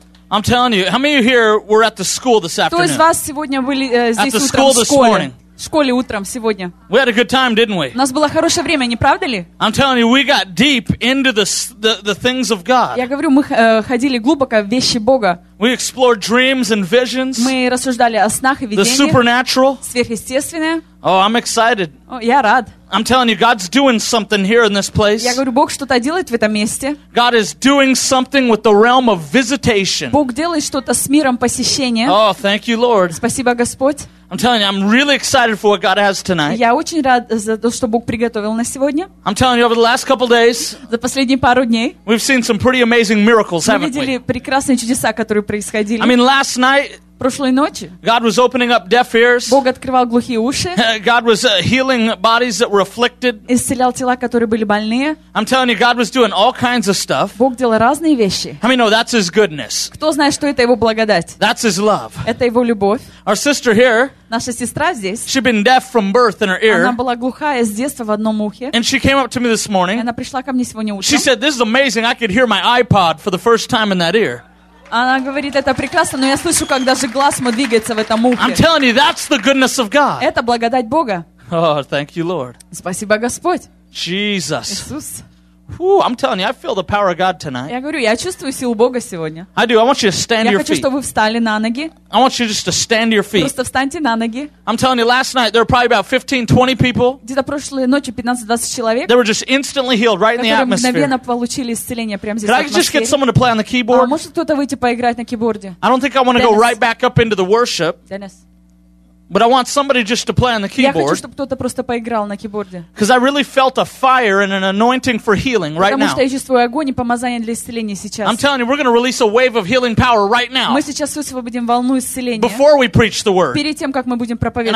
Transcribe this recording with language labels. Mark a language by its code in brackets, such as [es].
[en] I'm telling you, how many of you here were at the school this afternoon? [ru] Кто из вас сегодня были здесь утром? [en] At the school this morning. [ru] В школе утром сегодня. [en] We had a good time, didn't we? [ru] У нас было хорошее время, не правда ли? [en] I'm telling you, we got deep into the things of God. [ru] Я говорю, мы ходили глубоко в вещи Бога. [en] We explored dreams and visions. [ru] Мы рассуждали о снах и видениях. [en] The supernatural. [ru] Сверхъестественное. [en] Oh, I'm excited. [ru] Я рад. [en] I'm telling you, God's doing something here in this place. [ru] Я говорю, Бог что-то делает в этом месте. [en] God is doing something with the realm of visitation. [ru] Бог делает что-то с миром посещения. [en] Oh, thank you, Lord. [ru] Спасибо, Господь. [en] I'm telling you, I'm really excited for what God has tonight. [ru] Я очень рад за то, что Бог приготовил на сегодня. [en] I'm telling you, over the last couple days, [ru] за последние пару дней, [en] we've seen some pretty amazing miracles, haven't we? [ru] Мы видели прекрасные чудеса, которые происходили. [en] I mean, last night, [ru] прошлой ночи, [en] God was opening up deaf ears. [ru] Бог открывал глухие уши. [en] God was healing bodies that were afflicted. [ru] Исцелял тела, которые были больные. [en] I'm telling you, God was doing all kinds of stuff. [ru] Бог делал разные вещи. [en] I mean, no, that's His goodness. [ru] Кто знает, что это Его благодать? [en] That's His love. [ru] Это Его любовь. [en] Our sister here. [ru] Наша сестра здесь. [en] She'd been deaf from birth in her ear. [ru] Она была глухая с детства в одном ухе. [en] And she came up to me this morning. Она пришла ко мне сегодня утром. She said, "This is amazing. I could hear my iPod for the first time in that ear." [ru] Она говорит, это прекрасно, но я слышу, как даже глаз мой двигается в этом ухе. [en] I'm telling you, that's the goodness of God. [ru] Это благодать Бога. [en] Oh, thank you, Lord. [ru] Спасибо, Господь. [en] Jesus. [ru] Иисус. [en] Whew, I'm telling you, I feel the power of God tonight. [ru] Я говорю, я чувствую силу Бога сегодня. [en] I do. I want you to stand [ru] я [en] your [ru] хочу, [en] feet. [ru] Я хочу, чтобы вы встали на ноги. [en] I want you just to stand your feet. [ru] Просто встаньте на ноги. [en] I'm telling you, last night there were probably about 15-20 people. [ru] Где-то прошлой ночью 15-20 человек. [en] They were just instantly healed right in the [ru] atmосфере. Которые мгновенно получили исцеление прямо здесь в атмосфере. [en] Can I just get someone to play on the keyboard? [ru] А может кто-то выйти поиграть на кейборде? [en] I don't think I want to go right back up into the worship. Dennis. But I want somebody just to play on the keyboard. [ru] Я хочу, чтобы кто-то просто поиграл на кейборде. [en] Because I really felt a fire and an anointing for healing right now. [ru] Потому что я чувствую огонь и помазание для исцеления сейчас. [en] I'm telling you, we're going to release a wave of healing power right now. [ru] Мы сейчас высвободим волну исцеления. [en] Before we preach the word. [ru] Перед тем, как мы будем проповедовать.